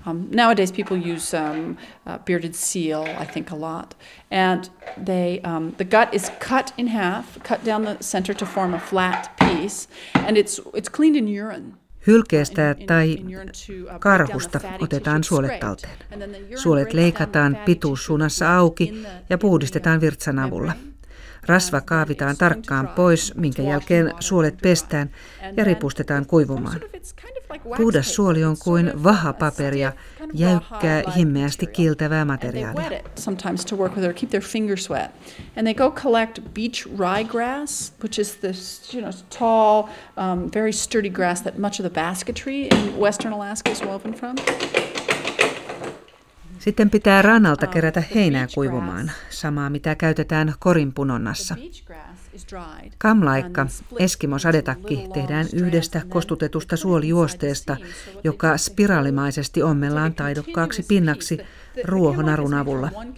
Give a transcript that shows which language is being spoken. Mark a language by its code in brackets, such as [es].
[en] Nowadays people use bearded seal, I think, a lot. And the gut is cut in half, cut down the center to form a flat piece, and it's cleaned in urine. [fi] Hylkeestä tai karhusta otetaan suolet talteen. Suolet leikataan pituussuunnassa auki ja puhdistetaan virtsan avulla. Rasva kaavitaan tarkkaan pois, minkä jälkeen suolet pestään ja ripustetaan kuivumaan. Puhdas suoli on kuin vahapaperia, jäykkää, himmeästi kiiltävää materiaalia. [en] Sometimes to work with or keep their fingers wet. And they go collect beach ryegrass, which is this, you know, tall, very sturdy grass that much of the basketry in western Alaska is woven from. [fi] Sitten pitää rannalta kerätä heinää kuivumaan, samaa mitä käytetään korinpunonnassa. Kamlaikka, eskimosadetakki, tehdään yhdestä kostutetusta suolijuosteesta, joka spiraalimaisesti ommellaan taidokkaaksi pinnaksi ruohonarun avulla.